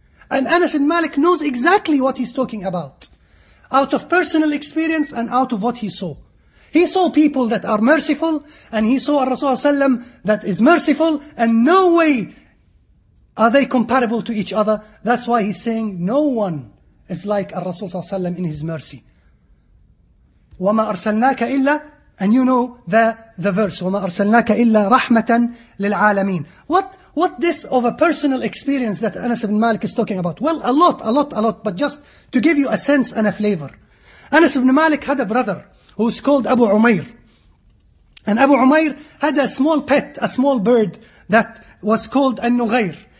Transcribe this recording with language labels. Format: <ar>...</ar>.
<en>And Anas ibn Malik knows exactly what he's talking about, out of personal experience and out of what he saw. He saw people that are merciful, and he saw Rasulullah ﷺ that is merciful, and no way are they comparable to each other. That's why he's saying no one is like Rasulullah ﷺ in his mercy.</en> <ar>وَمَا أَرْسَلْنَاكَ إِلَّا,</ar> <en>and you know the verse,</en> <ar>وَمَا أَرْسَلْنَاكَ إِلَّا رَحْمَةً لِلْعَالَمِينَ.</ar> <en>What this of a personal experience that Anas ibn Malik is talking about? Well, a lot, but just to give you a sense and a flavor. Anas ibn Malik had a brother who's called Abu Umair. And Abu Umair had a small pet, a small bird that was called An-Nughair.</en>